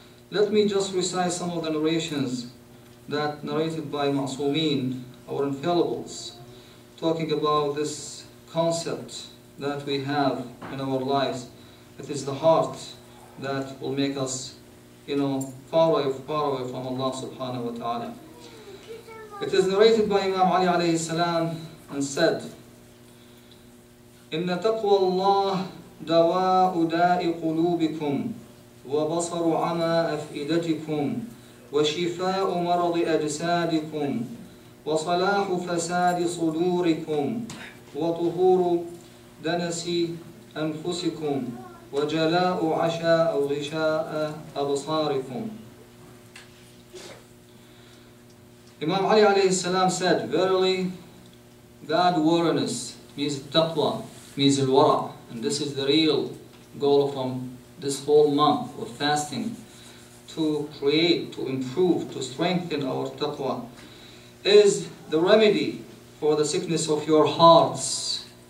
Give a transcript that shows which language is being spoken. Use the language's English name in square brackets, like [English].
[English] Let me just recite some of the narrations that narrated by Ma'sumeen, our infallibles, talking about this concept that we have in our lives. It is the heart that will make us, you know, far away from Allah subhanahu wa ta'ala. It is narrated by Imam Ali alayhi salam and said, [Arabic] إِنَّ تَقْوَى اللَّهِ دَوَاءُ دَاءِ قُلُوبِكُمْ وَبَصَرُ عَمَى أَفْئِدَتِكُمْ وَشِفَاءُ مَرَضِ أَجْسَادِكُمْ وَصَلَاحُ فَسَادِ صُدُورِكُمْ وَطُهُورُ دَنَسِ أَنْفُسِكُمْ وَجَلَاءُ عَشَاءَ غِشَاءَ أَبْصَارِكُمْ. [English] Imam Ali alayhi salam said, verily, God awareness means taqwa, means al-wara, and this is the real goal from this whole month of fasting, to create, to improve, to strengthen our taqwa, is the remedy for the sickness of your hearts.